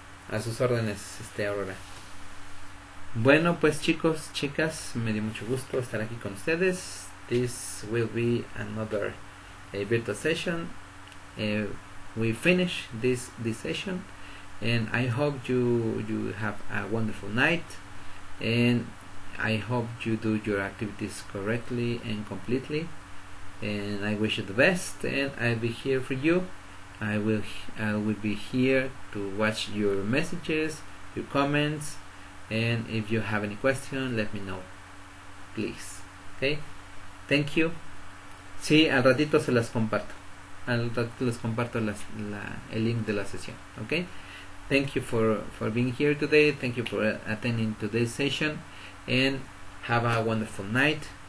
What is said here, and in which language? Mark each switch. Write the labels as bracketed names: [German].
[Spanish] A sus órdenes, Aurora. Bueno, pues chicos, chicas, me dio mucho gusto estar aquí con ustedes. [English] This will be another virtual session. We finish this session, and I hope you have a wonderful night, and I hope you do your activities correctly and completely. And I wish you the best, and I'll be here for you. I will be here to watch your messages, your comments, and if you have any question, let me know, please. Okay? Thank you. [Spanish] Sí, al ratito se las comparto. Al ratito les comparto el link de la sesión. [English] Okay? Thank you for being here today. Thank you for attending today's session, and have a wonderful night.